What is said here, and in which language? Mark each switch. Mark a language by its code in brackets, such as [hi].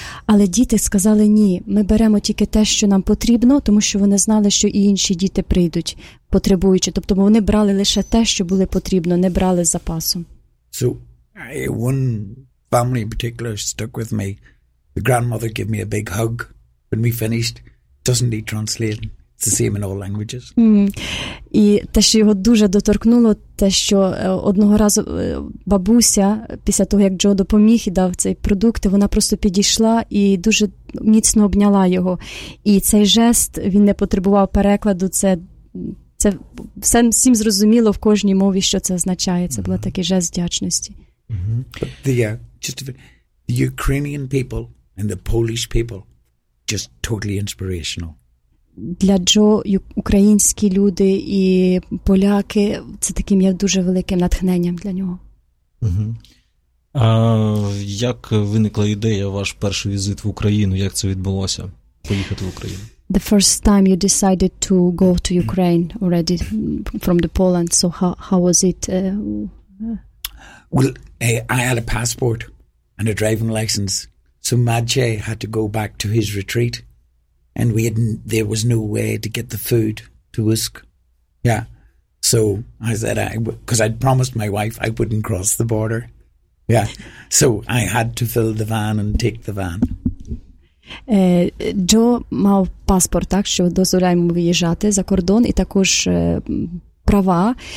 [uk] Але діти сказали ні, ми беремо тільки те, що нам потрібно, тому що вони знали, що і інші діти прийдуть, потребуючи. Тобто вони брали лише те, що було потрібно, не брали з запасом. [en] So, one family in particular stuck with me. The grandmother gave me a big hug when we finished. Doesn't need translating. It's the same in all languages. Mm. [uk] І те, що його дуже доторкнуло, те, що одного разу бабуся, після того, як Джо допоміг і дав цей продукт, вона просто підійшла і дуже міцно обняла його. І цей жест, він не потребував перекладу, це всім зрозуміло в кожній мові, що це означає. Це був такий жест вдячності. [en] The Ukrainian people and the Polish people just totally inspirational. [uk] Для Джо українські люди і поляки це таким є дуже великим натхненням для нього. Угу. Як виникла ідея ваш перший візит в Україну? Як це відбулося? Поїхати в Україну? [en] the first time you decided to go to Ukraine already from the Poland. So how was it? I had a passport and a driving license. So Maciej had to go back to his retreat, and there was no way to get the food to Usk. Yeah. So I said, because I'd promised my wife I wouldn't cross the border. Yeah. So I had to fill the van and take the van. [uk] Джо мав паспорт, так, що дозволяє йому виїжджати за кордон, і також права.